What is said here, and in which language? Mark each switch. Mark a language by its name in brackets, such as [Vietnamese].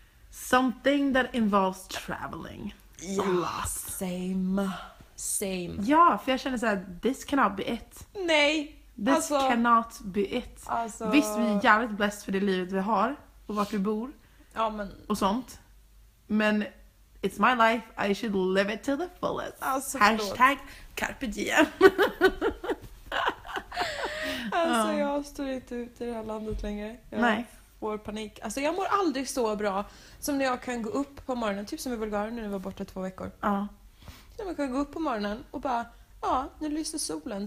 [English] Something that involves traveling. Yeah, same. Same. [Swedish] Ja, för jag känner så här, [English] this cannot be it. [Swedish] Nej. [English] This alltså, cannot be it. [Swedish] Alltså, visst, vi är jävligt blessed för det livet vi har och vart vi bor. Ja, men, och sånt. [English] Men it's my life, I should live it to the fullest. [Swedish] Alltså, hashtag carpe diem. Alltså jag står inte ut i det här landet längre. Jag nej. Får panik. Alltså jag mår aldrig så bra som när jag kan gå upp på morgonen. Typ som i Bulgarien när jag var borta 2 veckor. Ja. När man kan gå upp på morgonen och bara, ja, nu lyser solen.